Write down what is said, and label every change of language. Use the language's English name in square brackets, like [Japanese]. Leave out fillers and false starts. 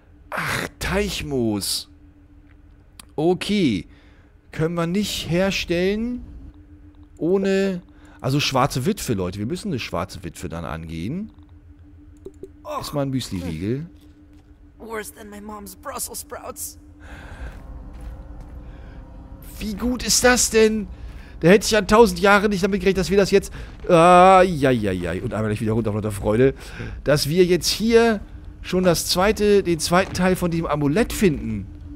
[German] Ach, Teichmoos. Okay. Können wir nicht herstellen ohne... Also schwarze Witwe, Leute. Wir müssen eine schwarze Witwe dann angehen. Ist mal ein Müsli-Riegel. [English] Worse than my mom's Brussels sprouts. [German] Wie gut ist das denn? Da hätte ich an 1000 Jahren nicht damit gerechnet, dass wir das jetzt... Und einmal gleich wieder runter auf lauter Freude. Dass wir jetzt hier schon das zweite, den zweiten Teil von diesem Amulett finden.